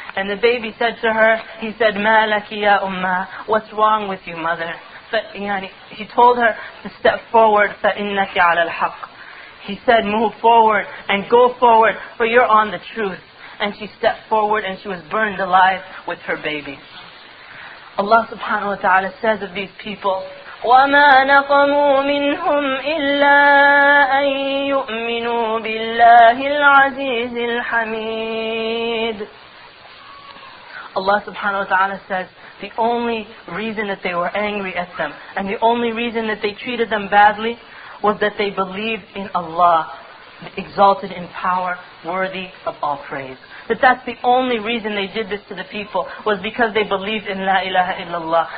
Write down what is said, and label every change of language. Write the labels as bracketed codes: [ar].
[en] And the baby said to her, he said, [ar] Ma laki ya umma, [en] what's wrong with you, mother? He told her to step forward. [ar] فَإِنَّكِ عَلَى الْحَقِّ. [en] He said, move forward and go forward, for you're on the truth. And she stepped forward and she was burned alive with her baby. Allah subhanahu wa ta'ala says of these people, [ar] وَمَا نَقَمُوا مِنْهُمْ إِلَّا أَن يُؤْمِنُوا بِاللَّهِ الْعَزِيزِ الْحَمِيدِ. [en] Allah subhanahu wa ta'ala says the only reason that they were angry at them and the only reason that they treated them badly was that they believed in Allah, exalted in power, worthy of all praise. That's the only reason they did this to the people, was because they believed in La ilaha illallah.